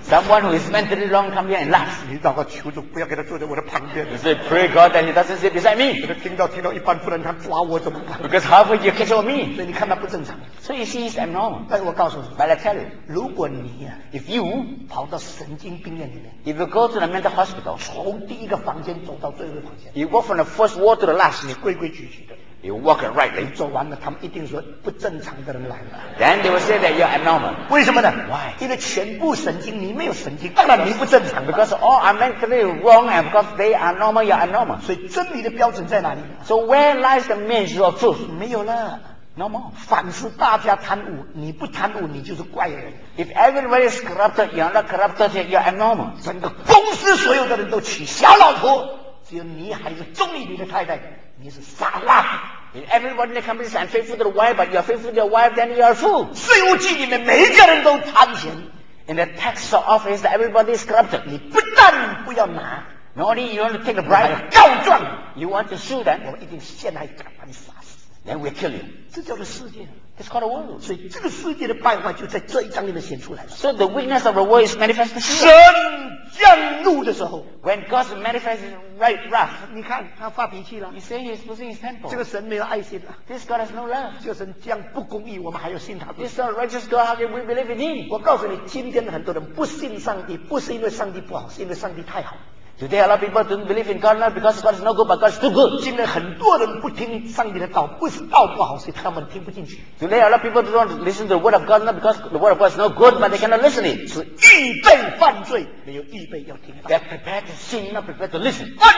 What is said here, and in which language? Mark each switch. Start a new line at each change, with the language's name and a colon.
English: Someone who is mentally wrong come here and laugh
Chinese: 你祷告求主不要给他坐在我的旁边
English: You say pray God and he doesn't sit beside me
Chinese: 听到一半不然他抓我怎么办
English: Because half of you catch on me
Chinese: 所以你看他不正常
English: So you see he's abnormal
Chinese: 但是我告诉你
English: But I tell you
Chinese: 如果你
English: If you
Chinese: 跑到神经病院里面
English: If you go to the mental hospital
Chinese: 从第一个房间走到最后一个房间
English: You walk from the first ward to the last
Chinese: 你规规矩矩的
English: You walk rightly.
Chinese: 你走完了，他们一定说不正常的人来了。
English: Then they will say that you're abnormal.
Chinese: 为什么呢？
English: Why?
Chinese: 因为全部神经，你没有神经，当然你不正常。
English: Because all are mentally wrong, and because they are normal, you're abnormal.
Chinese: 所以真理的标准在哪里？
English: So where lies the measure of truth?
Chinese: 没有了。
English: No more.
Chinese: 凡是大家贪污, 你不贪污, 你就是怪人。
English: If everybody is corrupted, you're not corrupted, you're abnormal.
Chinese: 整个公司所有的人都娶小老婆, 只有你还是忠于你的太太。你是傻瓜。
English: If everybody in the company is unfaithful to the wife, but you are faithful to your wife, then you are a fool.
Chinese: 税务局里面每一个人都贪钱。
English: In the tax office, everybody is corrupted.
Chinese: 你不但不要拿,
English: not only you want to take the bribe,
Chinese: 你还要告状。
English: You want to sue them,
Chinese: 我一定陷害你,把你杀死。
English: Then we'll kill you.
Chinese: 这叫做世界。
English: It's called a world.
Chinese: 所以这个世界的败坏就在这一章里面显出来了。
English: So the weakness of the world is manifested.
Chinese: 神降怒的时候,
English: when God manifests right wrath,
Chinese: 你看他发脾气了。
English: He says he's losing his temper.
Chinese: 这个神没有爱心了。
English: This God has no love.
Chinese: 这个神这样不公义, 我们还要信他吗？
English: This unrighteous God, how can we believe in him?
Chinese: 我告诉你, 今天很多人不信上帝, 不是因为上帝不好, 是因为上帝太好。
English: Today a lot of people don't believe in God not because God is no good, but God is too good.
Chinese: 今天很多人不听上帝的道，不是道不好，是他们听不进去。
English: Today a lot of people don't listen to the word of God not because the word of God is no good, but they cannot listen it.
Chinese: 是预备犯罪，没有预备要听到。
English: They're prepared to sin, not prepared to listen.